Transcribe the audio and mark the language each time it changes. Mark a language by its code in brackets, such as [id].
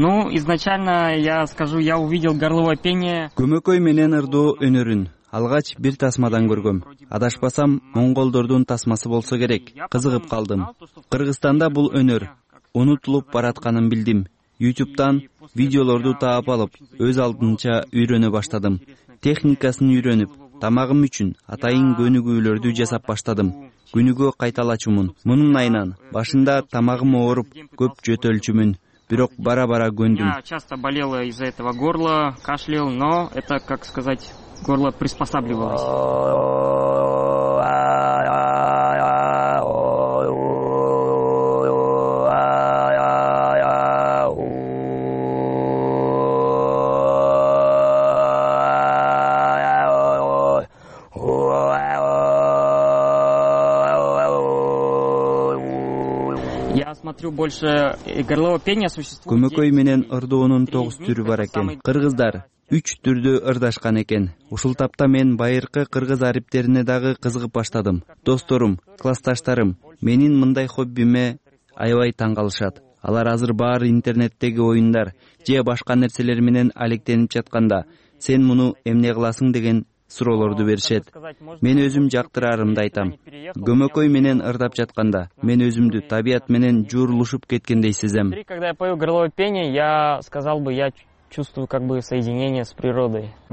[ru] Изначально я скажу, я увидел горловое пение. [ky] Көмөкөй менен ырдоо өнөрүн алгач бир тасмадан көргөм. Адашпасам, монголдордун тасмасы болсо керек. Кызыгып калдым. Кыргызстанда бул өнөр унутулуп баратканын билдим. YouTube'дан видеолорду таап алып, өз алдынча үйрөнө баштадым. Техникасын үйрөнүп, тамагым үчүн атайын көнүгүүлөрдү жасап баштадым. Күнүгө кайталачумун. Мунун айынан башында тамагым ооруп, көп жөтөлчүмүн. Бирок бара-бара көндүм. [ru] Я часто болела из-за этого горла, кашлял, но это, как сказать, горло приспосабливалось. Больше горлового пения существует. [ky] Көмөкөй менен ырдоонун 9 түрү бар экен. Кыргыздар 3 түрдө ырдашкан экен. Ушул тапта мен байыркы кыргыз арифтерине дагы кызыгып баштадым. Досторум, классташтарым менин мындай хоббиме аябай таң калышат. Алар азыр баары интернеттеги оюндар же башка нерселер менен алектенип жатканда, сен муну эмне кыласың деген суроолорду беришет. Мен өзүм жактырарымды айтам. Көмөкөй менен ырдап жатканда мен өзүмдү табият менен жуурулушуп кеткендей сезем. [ru] Когда я пою горловое пение, я сказал бы, я чувствую как бы соединение с природой.